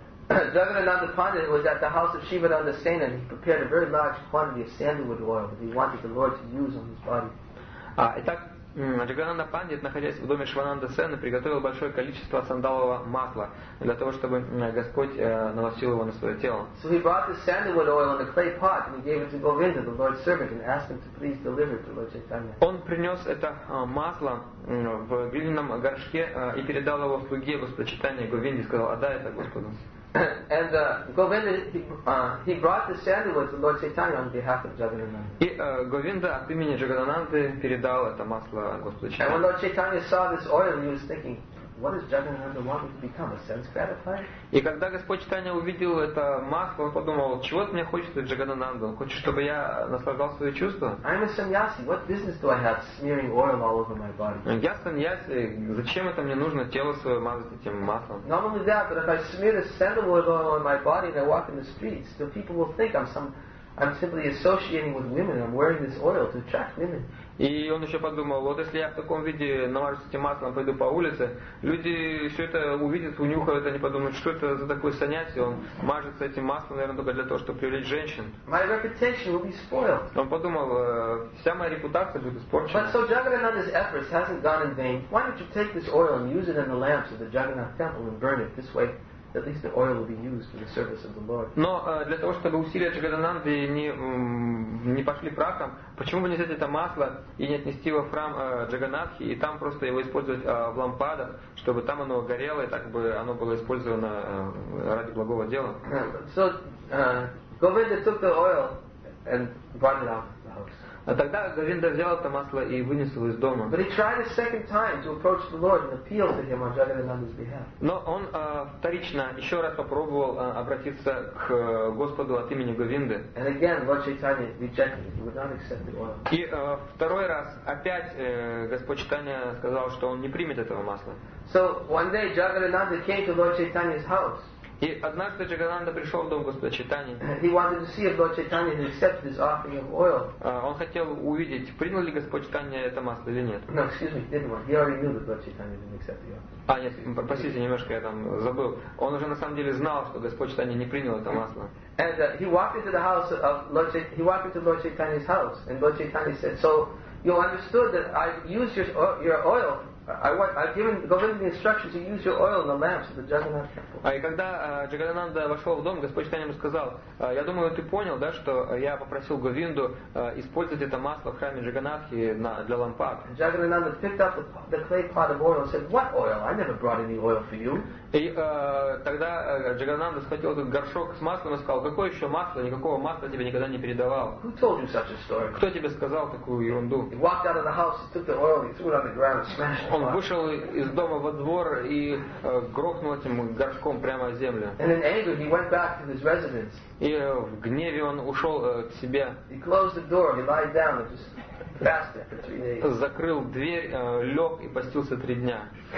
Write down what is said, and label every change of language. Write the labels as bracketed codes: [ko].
[en] Jagannanda Pandit was at the house of Shivananda Sena and he prepared a very large quantity of sandalwood oil that he wanted the Lord to use on his body. [ru] Итак, Джагананда Пандит, находясь в доме Шивананда Сены, приготовил большое количество сандалового масла для того, чтобы Господь наносил его на свое тело. [en] So he brought the sandalwood oil in a clay pot and he gave it to Govinda, the Lord's servant, and asked him to please deliver it to Lord Chaitanya. [ru] Он принес это масло в глиняном горшке и передал его слуге Господа Чайтанья Говинде и сказал: «Отдай это Господу». [en] And Govinda he brought the sandalwood to Lord Chaitanya on behalf of Jagannanda. [ru] И Говинда от имени Джагананды передал это масло Господу Чайтанье. [en] And when Lord Chaitanya saw this oil, he was thinking, what does Jagannanda want me to become, a sense gratifier? [ru] И когда Господь Чайтанья увидел это масло, он подумал, чего ты мне хочешь, Джагананда? Он хочет, чтобы я наслаждал свои чувства? [en] I'm a sannyasi. What business do I have smearing oil all over my body? [ru] Я сannyasi. Зачем это мне нужно, тело свое мазать этим маслом? [en] Not only that, but if I smear the sandalwood oil on my body and I walk in the streets, the people will think I'm simply associating with women. I'm wearing this oil to attract women. [ru] И он еще подумал, вот если я в таком виде намажусь этим маслом, пойду по улице, люди все это увидят, унюхают, они подумают, что это за такое занятие, он мажется этим маслом, наверное, только для того, чтобы привлечь женщин. [en] My reputation will be spoiled. [ru] Он подумал, вся моя репутация будет испорчена. [en] But so Jagannanda's efforts hasn't gone in vain. Why don't you take this oil and use it in the lamps of the Jagannath temple and burn it this way? At least the oil will be used for the service of the Lord. [ru] Но для того, чтобы усилия Джагадананды не пошли прахом, почему бы не взять это масло и не отнести его в храм Джаганатхи и там просто его использовать в лампадах, чтобы там оно горело и так бы оно было использовано ради благого дела? [en] So Govinda took the oil and brought it out of the house. [ru] А тогда Говинда взял это масло и вынес его из дома. [en] But he tried a second time to approach the Lord and appeal to him on Jagannanda's behalf. [ru] Но он вторично еще раз попробовал обратиться к Господу от имени Говинды. [en] And again, Lord Chaitanya rejected it. He would not accept the oil. [ru] И второй раз опять Господь Чайтанья сказал, что он не примет этого масла. [en] So one day Jagannanda came to Lord Chaitanya's house. [ru] И однажды Джагананда пришел в дом Господа Чайтаньи. [en] He wanted to see if Lord Chaitanya had accepted this offering of oil. [ru] Он хотел увидеть, принял ли Господь Чайтанья это масло или нет. [en] No, excuse me, he didn't want. He already knew that Lord Chaitanya didn't accept the offering. [ru] А, нет, простите, немножко я там забыл. Он уже на самом деле знал, что Господь Чайтанья не принял это масло. [en] And he walked into the house of he walked into Lord Chaitanya's house, and Lord Chaitanya said, "So you understood that I used your oil. I've given the instructions to use your oil in the lamps of the Jagannath temple." [ru] А и когда Джагадананда вошел в дом, Господь Чайтанья ему сказал: "Я думаю, ты понял, да, что я попросил Говинду использовать это масло в храме Джагнатхи для лампад." [en] Jagannanda picked up the clay pot of oil and said, "What oil? I never brought any oil for you." [ru] И тогда Джагадананда схватил этот горшок с маслом и сказал: "Какое еще масло? Никакого масла тебе никогда не передавал." [en] Who told you such a story? [ru] Кто тебе сказал такую ерунду? [en] He walked out of the house, took the oil, he threw it on the ground and smashed. [ru] Он вышел из дома во двор и грохнул этим горшком прямо о землю. [en] And in anger he went back to his residence. [ru] И в гневе он ушел к себе. [en] He closed the door, he lied down and just fasted for 3 days. [ru] Закрыл дверь, лег и постился 3 дня.